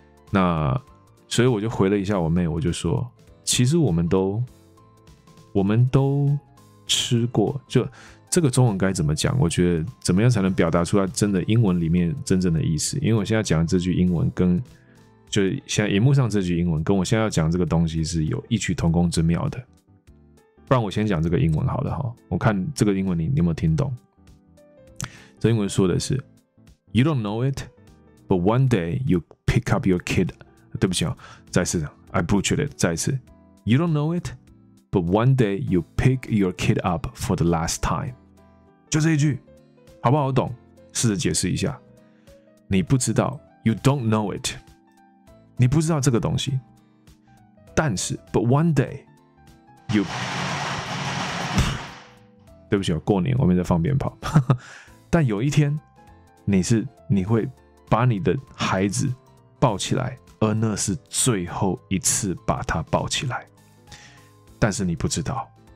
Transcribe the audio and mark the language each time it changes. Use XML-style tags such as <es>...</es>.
<zh>那所以我就回了一下我妹，我就说其实我们都吃过，就这个中文该怎么讲，我觉得怎么样才能表达出来真的英文里面真正的意思。因为我现在讲这句英文跟就现在荧幕上这句英文跟我现在要讲这个东西是有异曲同工之妙的。不然我先讲这个英文好了，我看这个英文你有没有听懂。这英文说的是</zh> <en>You don't know it, but one day you pick up your kid.</en> <zh>对不起，再次</zh> <en>I butchered it,</en> <zh>再次</zh> <en>You don't know it, but one day you pick your kid up for the last time.</en> <zh>就这一句好不好懂，试着解释一下。你不知道</zh> <en>You don't know it,</en> <zh>你不知道这个东西，但是</zh> <en>But one day you</en> <zh>对不起，过年我没在放鞭炮但有一天你会把你的孩子抱起来，而那是最后一次把他抱起来，但是你不知道。</zh>